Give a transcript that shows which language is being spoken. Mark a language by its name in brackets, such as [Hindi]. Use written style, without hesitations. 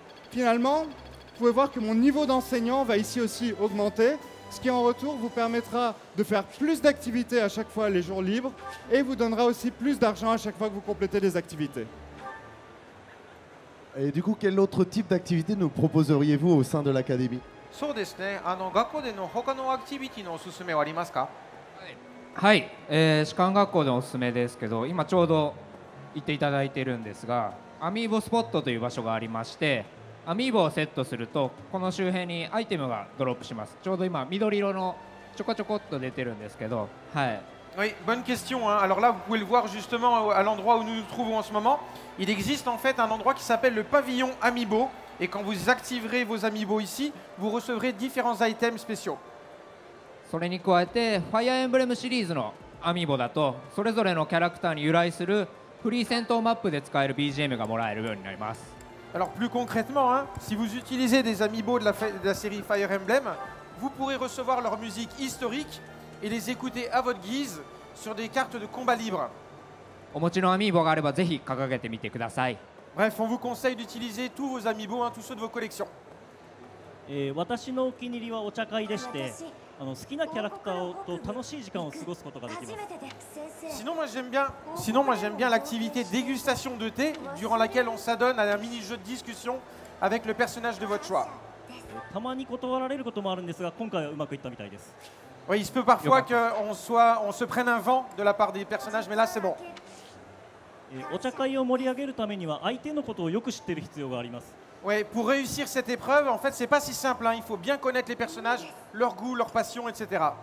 [French] Finalement, vous pouvez voir que mon niveau d'enseignant va ici aussi augmenter, ce qui en retour vous permettra de faire plus d'activités à chaque fois les jours libres et vous donnera aussi plus d'argent à chaque fois que vous complétez des activités. Et du coup, quel autre type d'activité nous proposeriez-vous au sein de l'académie ? [Japanese] そうですね。あの、学校での他のアクティビティのおすすめはありますか？はい。はい。士官学校でおすすめですけど、今ちょうど行っていただいているんですが、アミーボスポットという場所がありまして、アミーボをセットすると、この周辺にアイテムがドロップします。ちょうど今、緑色のちょこちょこっと出てるんですけど、はい。 [French] Oui, bonne question. Hein. Alors là, vous pouvez le voir justement à l'endroit où nous nous trouvons en ce moment. Il existe en fait un endroit qui s'appelle le pavillon Amiibo. Et quand vous activerez vos Amiibo ici, vous recevrez différents items spéciaux. [Japanese] それに加えて、Fire Emblem シリーズの Amiibo だと、それぞれのキャラクターに由来するフリー戦闘マップで使える BGM がもらえるようになります。 [French] Alors plus concrètement, hein, si vous utilisez des Amiibo de la série Fire Emblem, vous pourrez recevoir leur musique historique et les écouter à votre guise sur des cartes de combat libre. [Japanese] お持ちのアミーボがあればぜひ掲げてみてください。 [French] Bref, on vous conseille d'utiliser tous vos amiibo, hein, tous ceux de vos collections. [Japanese] 私のお気に入りはお茶会でして、あの好きなキャラクターと楽しい時間を過ごすことができます。 [French] Sinon, moi j'aime bien l'activité dégustation de thé durant laquelle on s'adonne à un mini jeu de discussion avec le personnage de votre choix. [Japanese] たまに断られることもあるんですが、今回はうまくいったみたいです。 [French] Oui, il se peut parfois qu'on se prenne un vent de la part des personnages, mais là, c'est bon. [Japanese] お茶会を盛り上げるためには相手のことをよく知っている必要があります。 [French] Ouais, pour réussir cette épreuve, en fait, c'est pas si simple, hein. Il faut bien connaître les personnages, leurs goûts, leurs passions, etc.